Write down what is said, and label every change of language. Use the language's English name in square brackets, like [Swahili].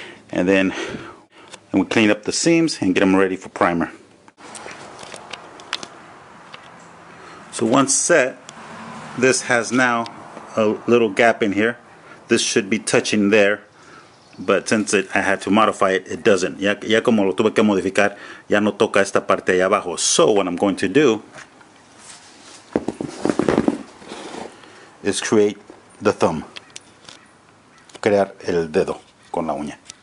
[English] And then we clean up the seams and get them ready for primer. So once set, this has now a little gap in here. This should be touching there. But since I had to modify it, it doesn't. [Spanish] Ya como lo tuve que modificar, ya no toca esta parte allá abajo. [English] So what I'm going to do is create the thumb. [Spanish] Crear el dedo con la uña.